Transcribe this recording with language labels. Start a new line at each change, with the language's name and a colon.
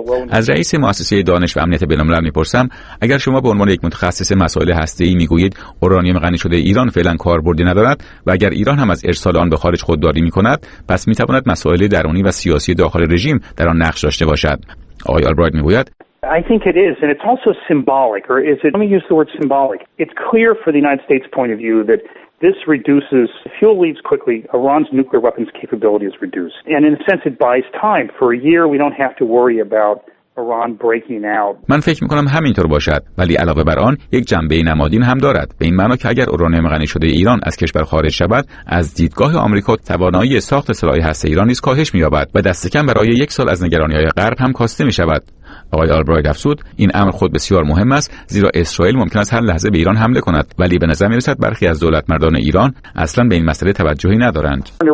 Persian: از رئیس مؤسسه دانش و امنیت بین‌الملل میپرسم اگر شما به عنوان یک متخصص مسائل هسته‌ای میگویید اورانیوم غنی شده ایران فعلا کاربردی ندارد و اگر ایران هم از ارسال آن به خارج خودداری میکند، پس میتواند مسائل درونی و سیاسی داخل رژیم در آن نقش داشته باشد. آقای آلبرایت میگوید
English: I think it is, and it's also symbolic, or is it? Let me use the word symbolic. It's clear for the United States point of view that this reduces fuel leaves quickly. Iran's nuclear weapons capability is reduced, and in a sense, it buys time. For a year, we don't have to worry about Iran breaking out.
Persian: من فکر می‌کنم همینطور باشد، ولی علاوه بر آن، یک جنبه نمادین هم دارد. به این معنا که اگر اورانیوم غنی شده ایران از کشور خارج شود، از دیدگاه آمریکا توانایی ساخت سلاح هسته‌ای ایران نیز کاهش می‌یابد و دست کم برای یک سال از نگرانی‌های غرب هم کاسته می‌شود. آقای آلبرایت افزود این امر خود بسیار مهم است، زیرا اسرائیل ممکن است هر لحظه به ایران حمله کند، ولی به نظر می‌رسد برخی از دولت مردان ایران اصلا به این مسئله توجهی ندارند.